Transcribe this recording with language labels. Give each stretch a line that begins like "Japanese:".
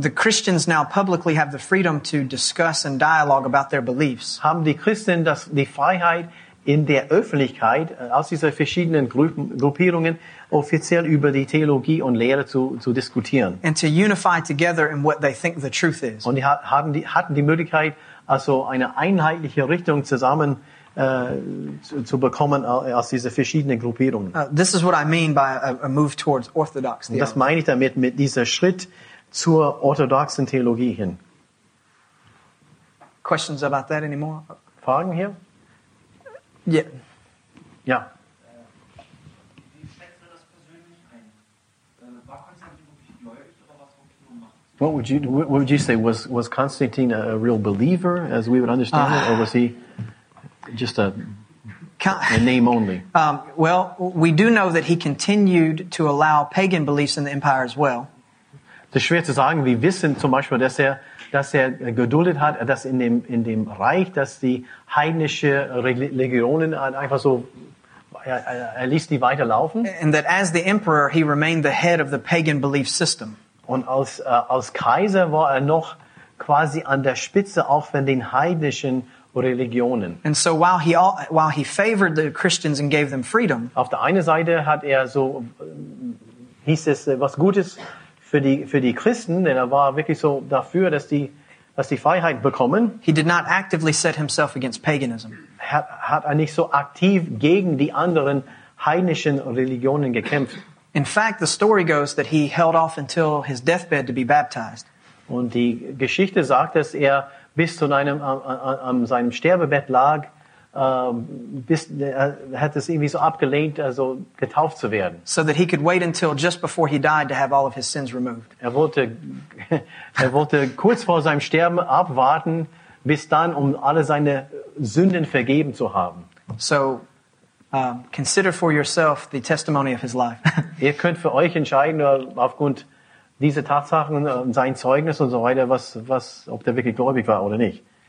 English: The Christians now publicly have the freedom to discuss and dialogue about their beliefs.
German: Haben die Christen die Freiheit, in der Öffentlichkeit aus dieser verschiedenen Gruppierungen offiziell über die Theologie und Lehre zu diskutieren.
English: And to unify together in what they think the truth is.
German: Und die hatten die Möglichkeit, also eine einheitliche Richtung zusammen zu bekommen aus diesen verschiedenen Gruppierungen.
English: This is what I mean by a move towards orthodox theology.
German: Das meine ich damit, mit dieser Schritt zur orthodoxen Theologie hin.
English: Questions about that anymore?
German: Fragen hier?
English: Yeah.
German: Ja.
English: What would you say was Constantine a real believer, as we would understand it, or was he just a name only? Well, we do know that he continued to allow pagan beliefs in the empire as well.
German: Das ist schwer zu sagen. Wir wissen zum Beispiel, dass er geduldet hat, dass in dem Reich, dass die heidnische Religionen einfach so, er ließ die weiterlaufen.
English: And that as the emperor, he remained the head of the pagan belief system.
German: Und als Kaiser war er noch quasi an der Spitze, auch von den heidnischen Religionen.
English: And so while he favored the Christians and gave them freedom.
German: Auf der einen Seite hat er so, hieß es, was Gutes für die Christen, denn er war wirklich so dafür, dass die Freiheit bekommen.
English: He did not actively set himself against paganism.
German: Hat er nicht so aktiv gegen die anderen heidnischen Religionen gekämpft.
English: In fact, the story goes that he held off until his deathbed to be baptized.
German: Und die Geschichte sagt, dass er bis zu einem an seinem Sterbebett lag, hat es irgendwie so abgelehnt, also getauft zu werden.
English: So that he could wait until just before he died to have all of his sins removed.
German: Er wollte kurz vor seinem Sterben abwarten, bis dann, um alle seine Sünden vergeben zu haben.
English: So, consider for yourself the testimony of his life.
German: Ihr könnt für euch entscheiden, aufgrund dieser Tatsachen, sein Zeugnis und so weiter, was ob der wirklich gläubig war oder nicht.